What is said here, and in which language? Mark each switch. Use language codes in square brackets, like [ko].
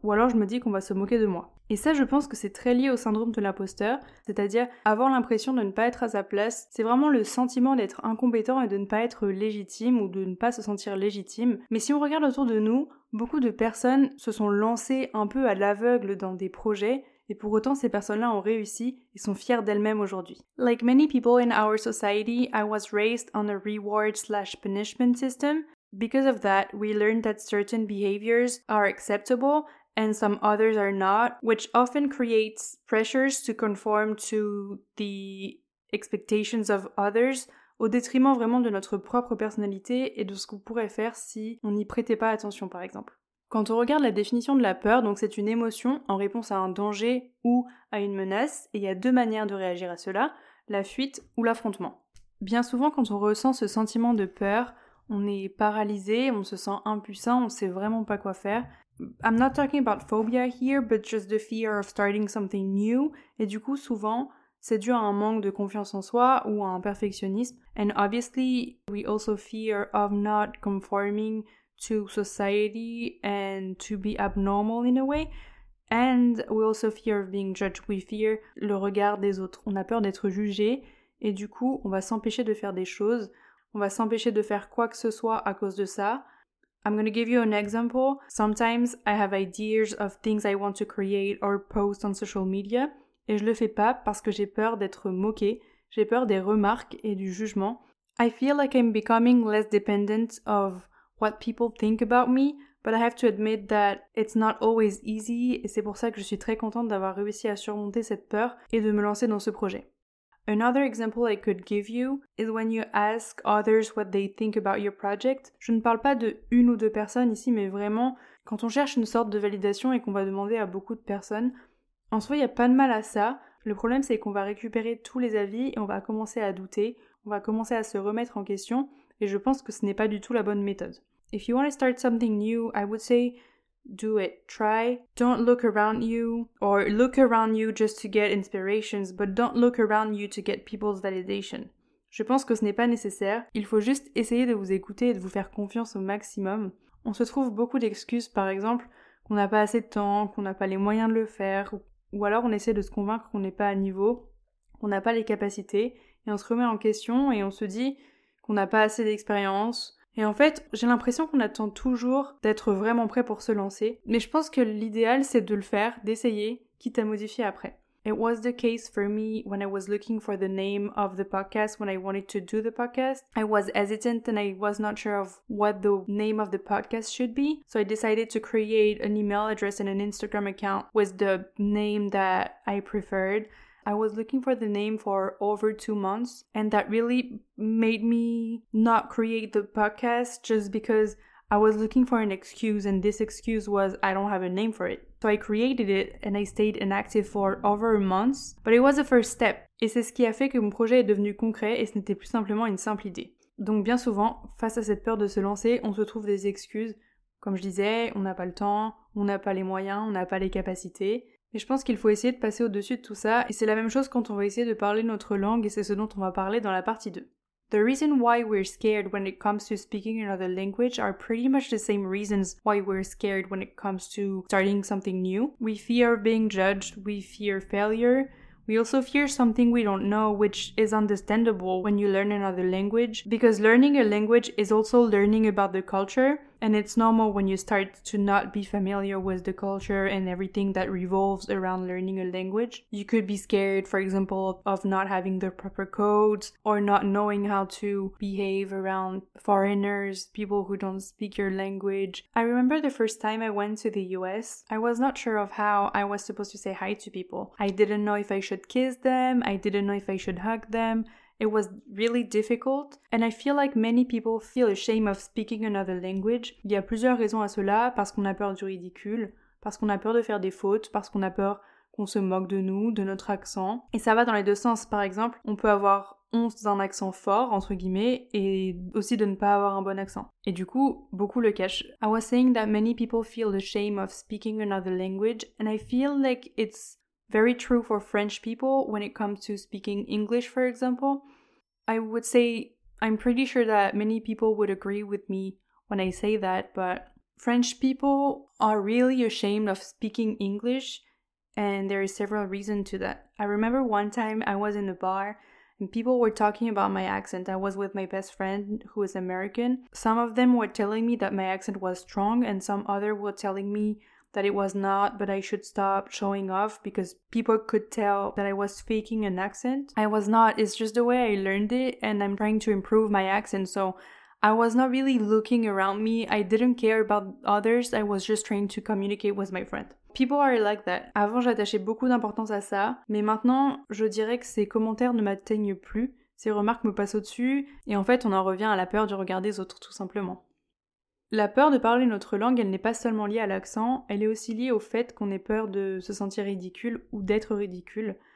[fr] Ou alors je me dis qu'on va se moquer de moi. Et ça je pense que c'est très lié au syndrome de l'imposteur, c'est-à-dire avoir l'impression de ne pas être à sa place. C'est vraiment le sentiment d'être incompétent et de ne pas être légitime ou de ne pas se sentir légitime. Mais si on regarde autour de nous, beaucoup de personnes se sont lancées un peu à l'aveugle dans des projets et pour autant ces personnes-là ont réussi et sont fières d'elles-mêmes aujourd'hui. [en] Like many people in our society, I was raised on a reward/punishment system. Because of that, we learned that certain behaviors are acceptable and some others are not, which often creates pressures to conform to the expectations of others, [fr] au détriment vraiment de notre propre personnalité et de ce qu'on pourrait faire si on n'y prêtait pas attention par exemple. Quand on regarde la définition de la peur, donc c'est une émotion en réponse à un danger ou à une menace, et il y a deux manières de réagir à cela, la fuite ou l'affrontement. Bien souvent quand on ressent ce sentiment de peur, on est paralysé, on se sent impuissant, on sait vraiment pas quoi faire. [en] I'm not talking about phobia here, but just the fear of starting something new. [fr] Et du coup, souvent, c'est dû à un manque de confiance en soi ou à un perfectionnisme. [en] And obviously, we also fear of not conforming to society and to be abnormal in a way. And we also fear of being judged. We fear [fr] le regard des autres. On a peur d'être jugé et du coup, on va s'empêcher de faire des choses. On va s'empêcher de faire quoi que ce soit à cause de ça. [en] I'm going to give you an example. Sometimes I have ideas of things I want to create or post on social media. [fr] Et je le fais pas parce que j'ai peur d'être moquée, j'ai peur des remarques et du jugement. [en] I feel like I'm becoming less dependent of what people think about me, but I have to admit that it's not always easy, [fr] et c'est pour ça que je suis très contente d'avoir réussi à surmonter cette peur et de me lancer dans ce projet. [en] Another example I could give you is when you ask others what they think about your project. [fr] Je ne parle pas de une ou deux personnes ici, mais vraiment, quand on cherche une sorte de validation et qu'on va demander à beaucoup de personnes, en soi, il n'y a pas de mal à ça. Le problème, c'est qu'on va récupérer tous les avis et on va commencer à douter, on va commencer à se remettre en question, et je pense que ce n'est pas du tout la bonne méthode. [en] If you want to start something new, I would say do it, try. Don't look around you, or look around you just to get inspirations, but don't look around you to get people's validation. [fr] Je pense que ce n'est pas nécessaire. Il faut juste essayer de vous écouter et de vous faire confiance au maximum. On se trouve beaucoup d'excuses, par exemple, qu'on n'a pas assez de temps, qu'on n'a pas les moyens de le faire, ou alors on essaie de se convaincre qu'on n'est pas à niveau, qu'on n'a pas les capacités, et on se remet en question et on se dit qu'on n'a pas assez d'expérience. Et en fait, j'ai l'impression qu'on attend toujours d'être vraiment prêt pour se lancer. Mais je pense que l'idéal, c'est de le faire, d'essayer, quitte à modifier après. [en] It was the case for me when I was looking for the name of the podcast, when I wanted to do the podcast. I was hesitant and I was not sure of what the name of the podcast should be. So I decided to create an email address and an Instagram account with the name that I preferred. I was looking for the name for over 2 months, and that really made me not create the podcast just because I was looking for an excuse, and this excuse was I don't have a name for it. So I created it and I stayed inactive for over a month, but it was the first step. [fr] Et c'est ce qui a fait que mon projet est devenu concret et ce n'était plus simplement une simple idée. Donc bien souvent, face à cette peur de se lancer, on se trouve des excuses. Comme je disais, on n'a pas le temps, on n'a pas les moyens, on n'a pas les capacités. Mais je pense qu'il faut essayer de passer au-dessus de tout ça, et c'est la même chose quand on va essayer de parler notre langue, et c'est ce dont on va parler dans la partie 2. [en] The reason why we're scared when it comes to speaking another language are pretty much the same reasons why we're scared when it comes to starting something new. We fear being judged, we fear failure. We also fear something we don't know, which is understandable when you learn another language, because learning a language is also learning about the culture, and it's normal when you start to not be familiar with the culture and everything that revolves around learning a language. You could be scared, for example, of not having the proper codes or not knowing how to behave around foreigners, people who don't speak your language. I remember the first time I went to the US, I was not sure of how I was supposed to say hi to people. I didn't know if I should kiss them, I didn't know if I should hug them. It was really difficult, and I feel like many people feel ashamed of speaking another language. [fr] Il y a plusieurs raisons à cela, parce qu'on a peur du ridicule, parce qu'on a peur de faire des fautes, parce qu'on a peur qu'on se moque de nous, de notre accent. Et ça va dans les deux sens, par exemple, on peut avoir honte d'un accent fort, entre guillemets, et aussi de ne pas avoir un bon accent. Et du coup, beaucoup le cachent. [en] I was saying that many people feel ashamed of speaking another language, and I feel like it's very true for French people when it comes to speaking English, for example. I would say I'm pretty sure that many people would agree with me when I say that, but French people are really ashamed of speaking English, and there is several reasons to that. I remember one time I was in a bar and people were talking about my accent. I was with my best friend who is American. Some of them were telling me that my accent was strong, and some other were telling me that it was not, but I should stop showing off because people could tell that I was faking an accent. I was not, it's just the way I learned it, and I'm trying to improve my accent, so I was not really looking around me. I didn't care about others, I was just trying to communicate with my friend. People are like that. [fr] Avant, j'attachais beaucoup d'importance à ça, mais maintenant, je dirais que ces commentaires ne m'atteignent plus, ces remarques me passent au-dessus, et en fait, on en revient à la peur du regard des autres, tout simplement. La peur de parler notre langue, elle n'est pas seulement liée à l'accent, elle est aussi liée au fait qu'on ait peur de se sentir ridicule ou d'être ridicule.